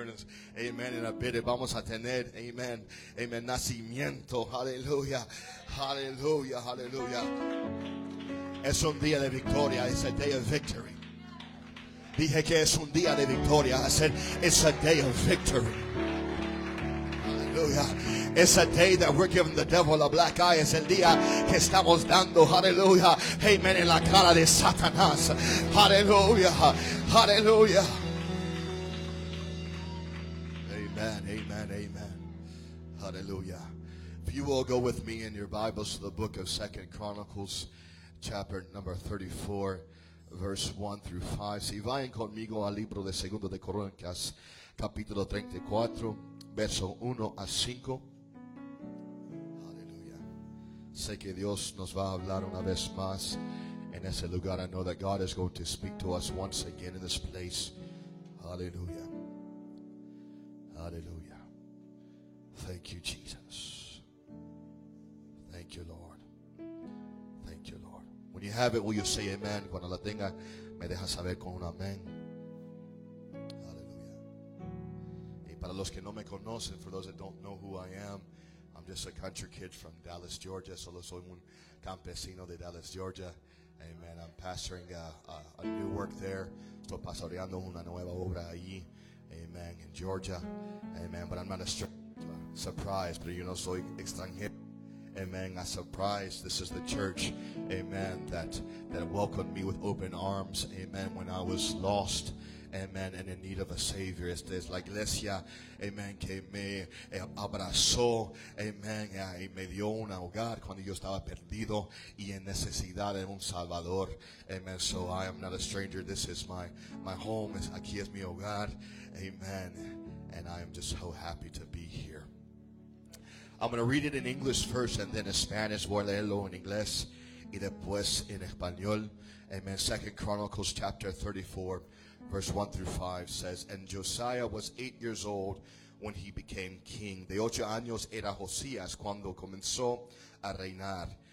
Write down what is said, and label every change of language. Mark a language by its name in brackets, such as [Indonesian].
[English] And it's, amen. In a bit, [Spanish] vamos a tener, amen, amen, nacimiento. [English] Hallelujah. Hallelujah. Hallelujah. [Spanish] Es un día de victoria. [English] It's a day of victory. [Spanish] Dije que es un día de victoria. [English] I said, it's a day of victory. Hallelujah. It's a day that we're giving the devil a black eye. [Spanish] Es el día que estamos dando, hallelujah, amen, en la cara de Satanás. Hallelujah, hallelujah. Amen, amen, amen. Hallelujah. [English] If you will go with me in your Bibles to the book of 2 Chronicles, chapter number 34, verse 1 through 5. [Spanish] Si vayan conmigo al libro de 2 de Crónicas, capítulo 34, verso 1 a 5. Sé que Dios nos va a hablar una vez más en ese lugar. [English] I know that God is going to speak to us once again in this place. Hallelujah. Hallelujah. Thank you, Jesus. Thank you, Lord. Thank you, Lord. When you have it, will you say amen? [Spanish] Cuando la tenga, me deja saber con un amén. Hallelujah. Y para los que no me conocen, [English] for those that don't know who I am, I'm just a country kid from Dallas, Georgia. [Spanish] Solo soy un campesino de Dallas, Georgia. Amen. [English] I'm pastoring a new work there. [Spanish] Estoy pastoreando una nueva obra allí. [English] Amen. In Georgia. Amen. But I'm not a stranger. Surprise. [Spanish] Pero yo no soy extranjero. [English] Amen. A surprise. This is the church. Amen. That welcomed me with open arms. Amen. When I was lost. Amen. And in need of a savior. [Spanish] Esta es la iglesia. [English] Amen. [Spanish] Que me abrazó. Amen. Y me dio un hogar cuando yo estaba perdido y en necesidad de un salvador. [English] Amen. So I am not a stranger. This is my home. [Spanish] Aquí es mi hogar. [English] Amen. And I am just so happy to be here. I'm going to read it in English first and then in Spanish. [Spanish] Voy a leerlo en inglés y después en español. [English] Amen. 2 Chronicles chapter 34. Verse 1 through 5 says, And Josiah was 8 years old when he became king. [Spanish] De 8 años era Josías cuando comenzó a reinar.